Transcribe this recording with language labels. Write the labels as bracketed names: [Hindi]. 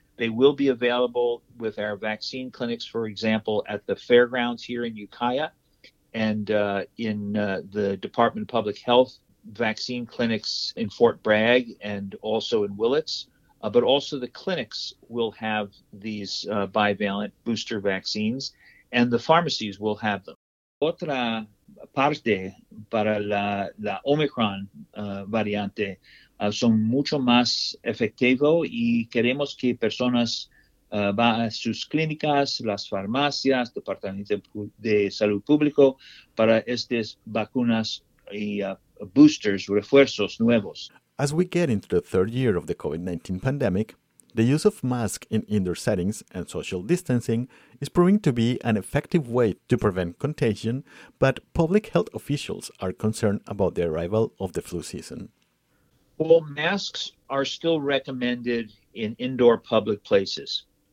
[English] They will be available with our vaccine clinics, for example, at the fairgrounds here in Ukiah and in the Department of Public Health vaccine clinics in Fort Bragg and also in Willits. But also the clinics will have these bivalent booster vaccines, and the pharmacies will have them. [Spanish] Otra parte para la Omicron variante son mucho más efectivo y queremos que personas va a sus clínicas, las farmacias, departamentos de salud público para estas vacunas y boosters, refuerzos nuevos. [English] As we get into the third year of the COVID-19 pandemic, the use of masks in indoor settings and social distancing is proving to be an effective way to prevent contagion, but public health officials are concerned about the arrival of the flu season. Well, masks are still recommended in indoor public places.